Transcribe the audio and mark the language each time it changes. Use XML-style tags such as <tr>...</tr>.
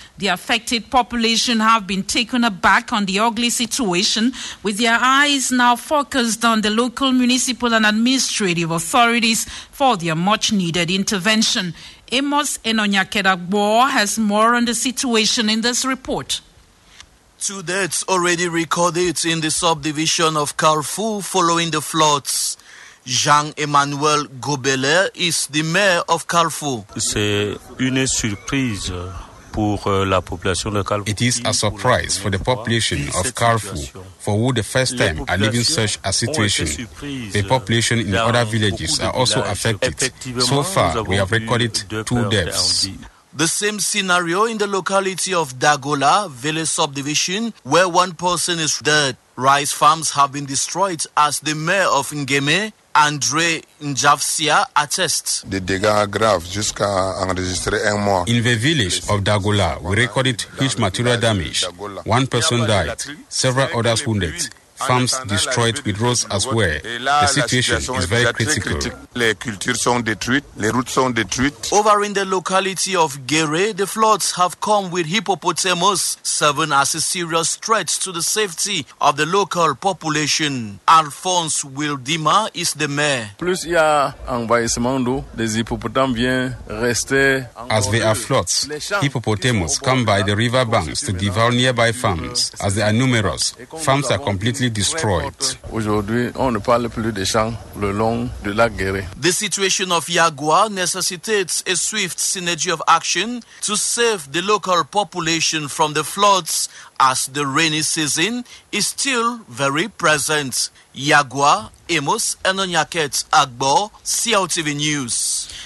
<en>The affected population have been taken aback on the ugly situation, with their eyes now focused on the local municipal and administrative authorities for their much-needed intervention. Amos Enonyakedagbo has more on the situation in this report. 2 deaths already recorded in the subdivision of Carfou following the floods. Jean-Emmanuel Gobelet is the mayor of Carfou.</en> <fr>C'est une surprise pour la population de Carfou.</fr> <en>It is a surprise for the population of Carfou, for who the first time are living such a situation. The population in other villages are also affected. So far, we have recorded 2 deaths. The same scenario in the locality of Dagola, village subdivision, where 1 person is dead. Rice farms have been destroyed, as the mayor of Ngeme, André Njafsia, attests.</en> <fr>The dégâts are grave jusqu'à enregistrer un mort.</fr> <en>In the village of Dagola, we recorded huge material damage. 1 person died, several others wounded. Farms destroyed with roads as well. The situation is very critical.</en> <fr>Les cultures sont détruites, les routes sont détruites.</fr> <en>Over in the locality of Gere, the floods have come with hippopotamus serving as a serious threat to the safety of the local population. Alphonse Wildima is the mayor.</en> <fr>Plus il y a envahissement d'eau, les hippopotames viennent rester.</fr> <en>As there are floods, hippopotamus come by the river banks to devour nearby farms. As they are numerous, farms are completely destroyed.</en> <fr>Aujourd'hui, on ne parle plus des champs le long de la Guerre.</fr> <en>The situation of Yagua necessitates a swift synergy of action to save the local population from the floods, as the rainy season is still very present. Yagua, Amos Enonyaket Agbo, CLTV News.</en>